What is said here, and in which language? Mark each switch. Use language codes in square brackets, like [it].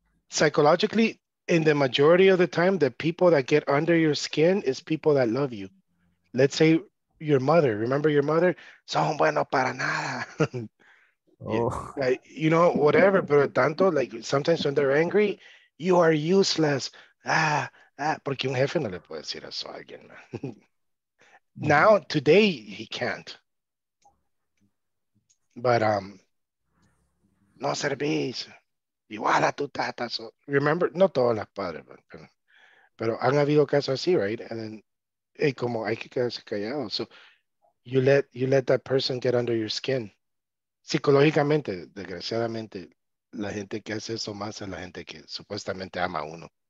[en] Psychologically, in the majority of the time, the people that get under your skin is people that love you. Let's say your mother, remember your mother? [es] Son bueno para nada. [en] You know, whatever, [es] pero tanto, [en] like sometimes when they're angry, you are useless. [es] Porque un jefe no le puede decir eso a alguien. [en] Now, today, he can't. [es] But, no servís. Igual a tu tata. [en] So, remember, [es] no todos los padres, pero han habido casos así, [en] right? And then, hey, [es] como hay que quedarse callado. [en] So, you let that person get under your skin. [es] Psicológicamente, desgraciadamente, la gente que hace eso más es la gente que supuestamente ama a uno.